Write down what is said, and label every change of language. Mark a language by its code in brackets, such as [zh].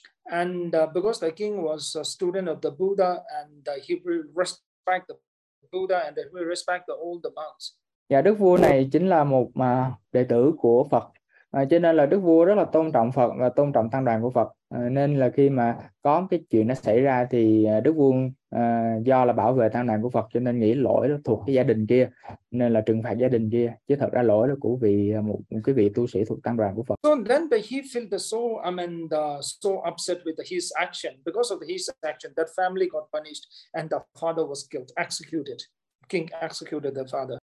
[en] And because the king was a student of the Buddha, and he respect the Buddha, and he respect the old monks. [vi] Dạ, đức vua này chính là một đệ tử của Phật, cho nên là đức vua rất là tôn trọng Phật và tôn trọng tăng đoàn của Phật, nên là khi mà có cái chuyện nó xảy ra thì đức vua do là bảo vệ tăng đoàn của Phật, cho nên nghĩ lỗi đó thuộc cái gia đình kia, nên là trừng phạt gia đình kia, chứ thật ra lỗi đó của một cái vị tu sĩ thuộc tăng đoàn của Phật. [en] So then he felt so upset with his action, because of his action that family got punished and the father was killed, executed. King executed the father.